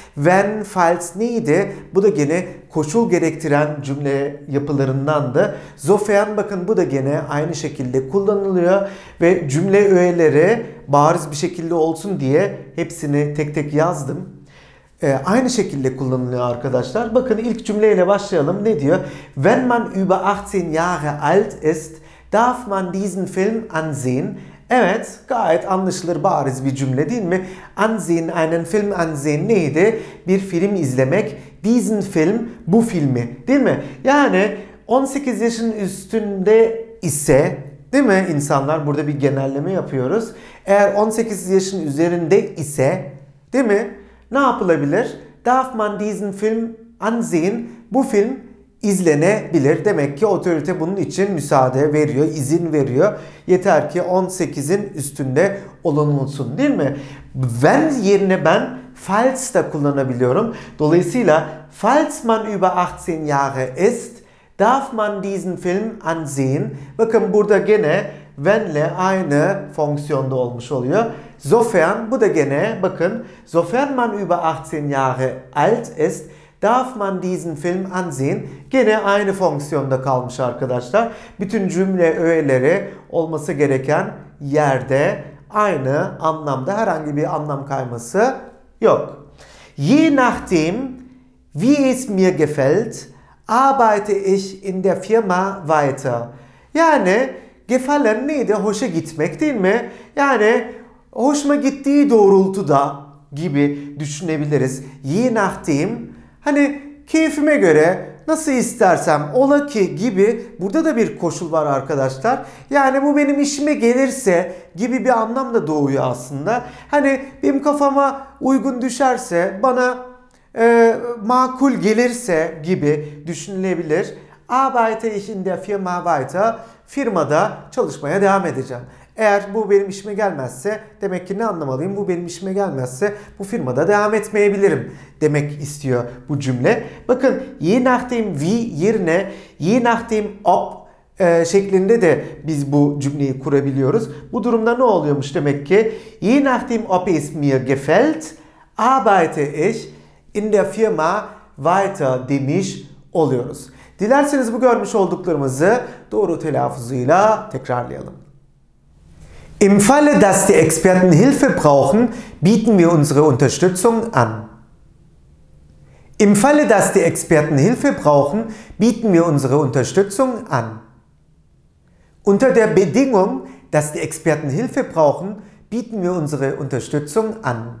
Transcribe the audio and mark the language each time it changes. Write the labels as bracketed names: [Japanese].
[Turkish] Wenn, falls neydi? Bu da gene koşul gerektiren cümle yapılarındandı. Sofern, bakın bu da gene aynı şekilde kullanılıyor. Ve cümle öğeleri bariz bir şekilde olsun diye hepsini tek tek yazdım. Aynı şekilde kullanılıyor arkadaşlar. Bakın ilk cümleyle başlayalım. Ne diyor? [German] Wenn man über 18 Jahre alt ist, darf man diesen Film ansehen. [Turkish] Evet, gayet anlaşılır, bariz bir cümle değil mi? Ansehen, [German] einen Film ansehen [Turkish] neydi? Bir film izlemek, [German] diesen Film, [Turkish] bu filmi, değil mi? Yani 18 yaşın üstünde ise, değil mi insanlar, burada bir genelleme yapıyoruz. Eğer 18 yaşın üzerinde ise, değil mi, ne yapılabilir? [German] Darf man diesen Film ansehen, [Turkish] bu film izlenebilir. Demek ki otorite bunun için müsaade veriyor, izin veriyor. Yeter ki 18'in üstünde olunulsun, değil mi? Wenn yerine ben falls da kullanabiliyorum. Dolayısıyla [German] falls man über 18 Jahre ist, darf man diesen Film ansehen. [Turkish] Bakın burada gene wenn ile aynı fonksiyonda olmuş oluyor. [German] Sofern, [Turkish] bu da gene bakın, [German] sofern man über 18 Jahre alt ist, darf man diesen Film ansehen? [Turkish] Gene aynı fonksiyonda kalmış arkadaşlar. Bütün cümle öğeleri olması gereken yerde aynı anlamda, herhangi bir anlam kayması yok. [German] Je nachdem, wie es mir gefällt, arbeite ich in der Firma weiter. [Turkish] Yani gefallen neydi? Hoşa gitmek, değil mi? Yani hoşuma gittiği doğrultuda gibi düşünebiliriz. Je nachdem, hani keyfime göre, nasıl istersem, ola ki gibi, burada da bir koşul var arkadaşlar. Yani bu benim işime gelirse gibi bir anlam da doğuyor aslında. Hani benim kafama uygun düşerse, bana makul gelirse gibi düşünülebilir. [German] Arbeite ich in der Firma weiter, [Turkish] firmada çalışmaya devam edeceğim. Eğer bu benim işime gelmezse, demek ki ne anlamalıyım? Bu benim işime gelmezse bu firmada devam etmeyebilirim demek istiyor bu cümle. Bakın, je nachdem wie yerine je nachdem ob şeklinde de biz bu cümleyi kurabiliyoruz. Bu durumda ne oluyormuş demek ki? [German] Je nachdem ob es mir gefällt, arbeite ich in der Firma weiter [Turkish] demiş oluyoruz. Dilerseniz bu görmüş olduklarımızı doğru telaffuzuyla tekrarlayalım. [German] Im Falle, dass die Experten Hilfe brauchen, bieten wir unsere Unterstützung an. Im Falle, dass die Experten Hilfe brauchen, bieten wir unsere Unterstützung an. Unter der Bedingung, dass die Experten Hilfe brauchen, bieten wir unsere Unterstützung an.